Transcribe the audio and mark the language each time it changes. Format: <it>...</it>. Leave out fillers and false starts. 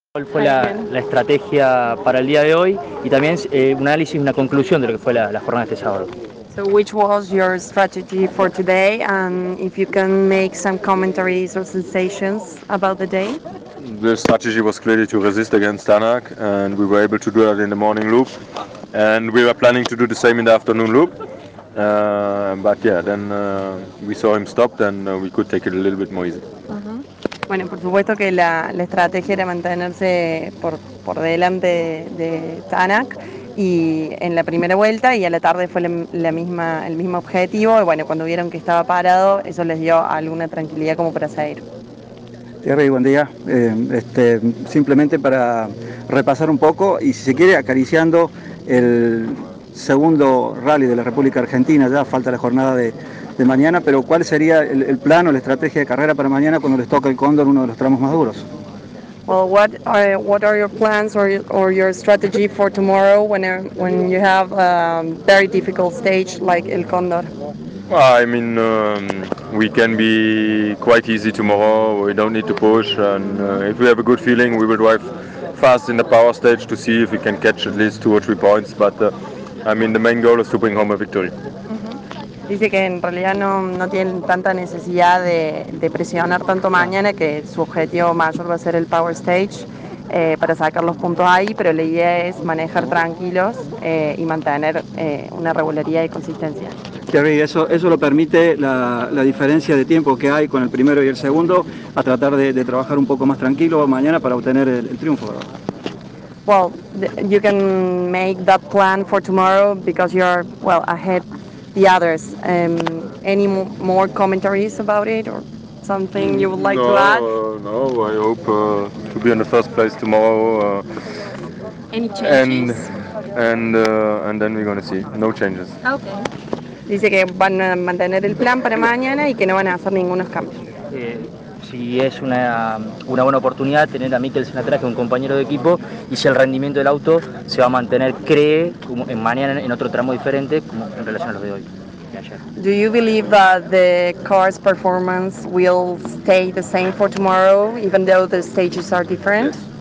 <es>¿Cuál fue la estrategia para el día de hoy? Y también un análisis, una conclusión de lo que fue la jornada de este sábado.</es> <en>So which was your strategy for today, and if you can make some commentaries or sensations about the day? The strategy was clearly to resist against Tanak, and we were able to do that in the morning loop, and we were planning to do the same in the afternoon loop. But then we saw him stopped, and we could take it a little bit more easy. Uh-huh.</en> <es>Bueno, por supuesto que la estrategia era mantenerse por delante de Tanak. Y en la primera vuelta y a la tarde fue el mismo objetivo. Y bueno, cuando vieron que estaba parado, eso les dio alguna tranquilidad como para seguir. Thierry, buen día. Simplemente para repasar un poco y si se quiere acariciando el segundo rally de la República Argentina, ya falta la jornada de mañana, pero ¿cuál sería el plan o la estrategia de carrera para mañana cuando les toca el Cóndor, uno de los tramos más duros?</es> <en>Well, what are your plans or your strategy for tomorrow when you have a very difficult stage like El Condor? Well, I mean, we can be quite easy tomorrow. We don't need to push, and if we have a good feeling, we will drive fast in the power stage to see if we can catch at least two or three points. But I mean, the main goal is to bring home a victory.</en> <es>Dice que en realidad no tienen tanta necesidad de presionar tanto mañana, que su objetivo mayor va a ser el Power Stage para sacar los puntos ahí, pero la idea es manejar tranquilos y mantener una regularidad y consistencia. Thierry, eso lo permite la diferencia de tiempo que hay con el primero y el segundo a tratar de trabajar un poco más tranquilo mañana para obtener el triunfo, ¿verdad?</es> <en>Well, you can make that plan for tomorrow because you're well ahead the others. Any more commentaries about it or something you would like no, to add? No, I hope to be in the first place tomorrow. Any changes? And then we're going to see. No changes. Okay.</en> <es>Dice que van a mantener el plan para mañana y que no van a hacer ningún cambio. Si es una buena oportunidad tener a Mikkelsen atrás, que es un compañero de equipo, y si el rendimiento del auto se va a mantener, cree, como en mañana en otro tramo diferente, como en relación a los de hoy.</es> <en>Do you believe that the car's performance will stay the same for tomorrow, even though the stages are different?</en>